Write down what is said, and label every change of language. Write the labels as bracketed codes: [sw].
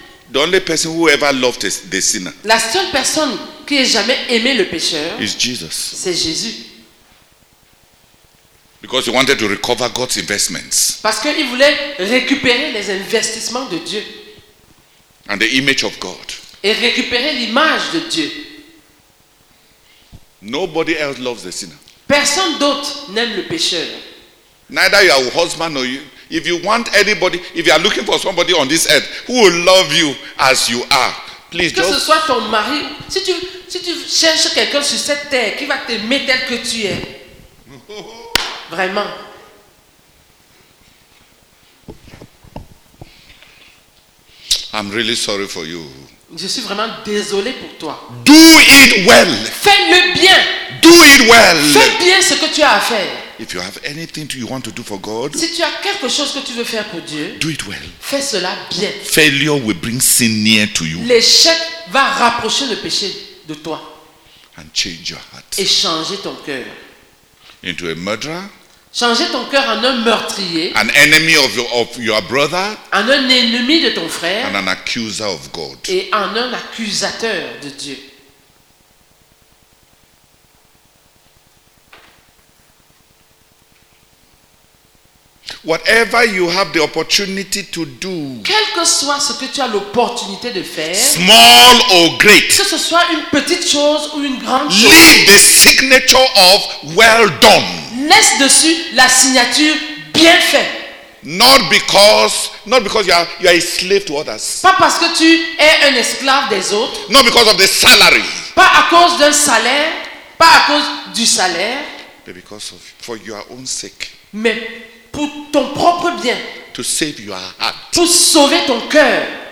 [en] The only person who ever loved the sinner. [fr] La seule personne qui ait jamais aimé le pécheur. [en] Is Jesus. [fr] C'est Jésus. [en] Because he wanted to recover God's investments. [fr] Parce qu'il voulait récupérer les investissements de Dieu. [en] And the image of God. [fr] Et récupérer l'image de Dieu. [en] Nobody else loves the sinner. [fr] Personne d'autre n'aime le pécheur. [en] Neither your husband nor you. If you want anybody, if you are looking for somebody on this earth who will love you as you are, please just. [fr] Que ce soit ton mari, si tu cherches quelqu'un sur cette terre qui va t'aimer tel que tu es, vraiment. [en] I'm really sorry for you. [fr] Je suis vraiment désolé pour toi. [en] Do it well. [fr] Fais-le bien. [en] Do it well. [fr] Fais bien ce que tu as à faire. [en] If you have anything you want to do for God, [fr] si tu as quelque chose que tu veux faire pour Dieu, [en] do it well. [fr] Fais cela bien. [en] Failure will bring sin near to you. [fr] L'échec va rapprocher le péché de toi. [en] And change your heart. [fr] Et changer ton cœur. [en] Into a murderer. [fr] Changer ton cœur en un meurtrier. [en] An enemy of your brother. [fr] En un ennemi de ton frère. [en] And an accuser of God. [fr] Et en un accusateur de Dieu. [en] Whatever you have the opportunity to do, [fr] quel que soit ce que tu as l'opportunité de faire, [en] small or great, [fr] que ce soit une petite chose ou une grande chose, [en] leave the signature of well done. [fr] Laisse dessus la signature bien fait. [en] Not because you are a slave to others. [fr] Pas parce que tu es un esclave des autres. [en] Not because of the salary. [fr] Pas à cause d'un salaire. Pas à cause du salaire. [en] But because of for your own sake. [fr] Mais pour ton propre bien. [en] To save your heart. [fr] Pour sauver ton cœur.